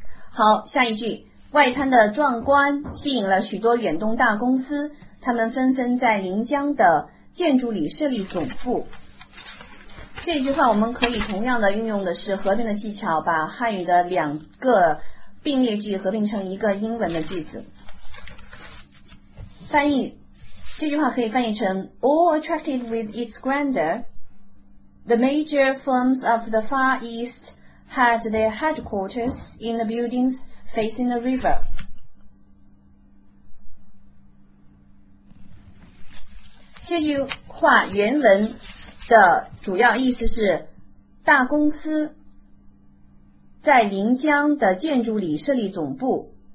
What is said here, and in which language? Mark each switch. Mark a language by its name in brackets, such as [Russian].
[Chinese] 好，下一句，外滩的壮观吸引了许多远东大公司，他们纷纷在临江的建筑里设立总部。这句话我们可以同样的运用的是合并的技巧，把汉语的两个并列句合并成一个英文的句子。翻译这句话可以翻译成 [English] All attracted with its grandeur, the major firms of the Far East had their headquarters in the buildings facing the river. [Chinese] 这句话原文的主要意思是大公司在临江的建筑里设立总部，